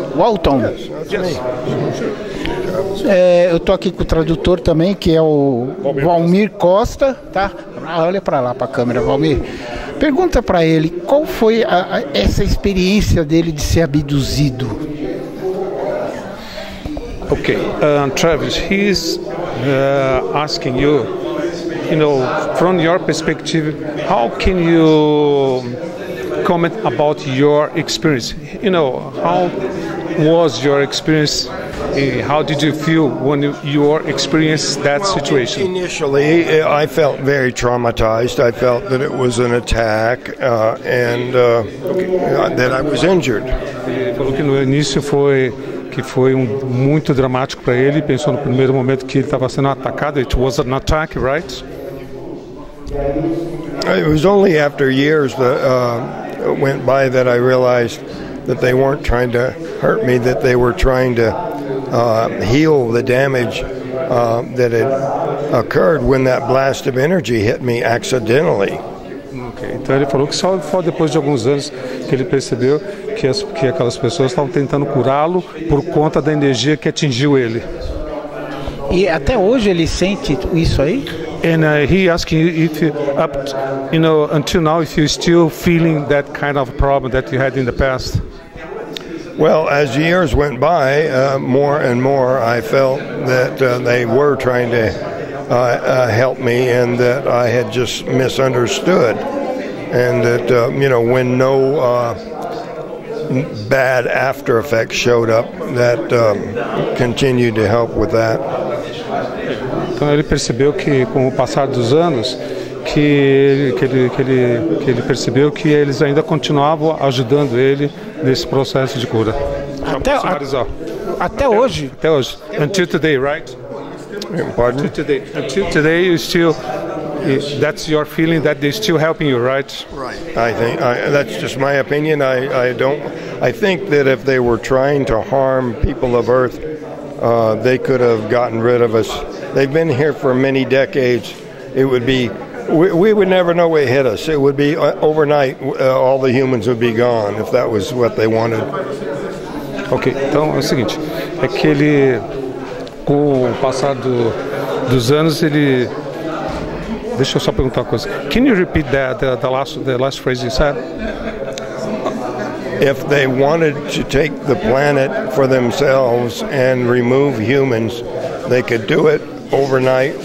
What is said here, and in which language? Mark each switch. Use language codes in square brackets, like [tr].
[en] Walton. Yes. [pt] Eu tô aqui com o tradutor também, que é o Valmir Costa, tá? Olha para lá para a câmera, Valmir. Pergunta para ele qual foi essa experiência dele de ser abduzido. [en] Okay, Travis, he's asking you, you know, from your perspective, how can you comment about your experience? You know, how was your experience? How did you feel when you experienced that situation? Initially, I felt very traumatized. I felt that it was an attack that I was injured. [pt] No início foi que foi muito dramático para ele. Pensou no primeiro momento que ele estava sendo atacado. [en] It was an attack, right? It was only after years that went by that I realized that they weren't trying to hurt me, that they were trying to heal the damage that had occurred when that blast of energy hit me accidentally. Okay. [pt] Então ele falou que só foi depois de alguns anos que ele percebeu que aquelas pessoas estavam tentando curá-lo por conta da energia que atingiu ele. E até hoje ele sente isso aí? [en] And he asking if you know, until now, if you're still feeling that kind of problem that you had in the past. Well, as years went by, more and more I felt that they were trying to help me, and that I had just misunderstood, and that you know, when no bad after effects showed up, that continued to help with that. [pt] Então ele percebeu que, com o passar dos anos, que ele percebeu que eles ainda continuavam ajudando ele nesse processo de cura. Até hoje? Até hoje. [en] Until today, right? Pardon? Until today, you still... That's your feeling that they're still helping you, right? Right. That's just my opinion. I think that if they were trying to harm people of Earth, they could have gotten rid of us. They've been here for many decades. It would be, we would never know what hit us. It would be overnight, all the humans would be gone if that was what they wanted. Okay. [pt] Então é o seguinte, é que ele, com o passar dos anos, ele... Deixa eu só perguntar uma coisa. [en] Can you repeat the last phrase you said? If they wanted to take the planet for themselves and remove humans, they could do it overnight.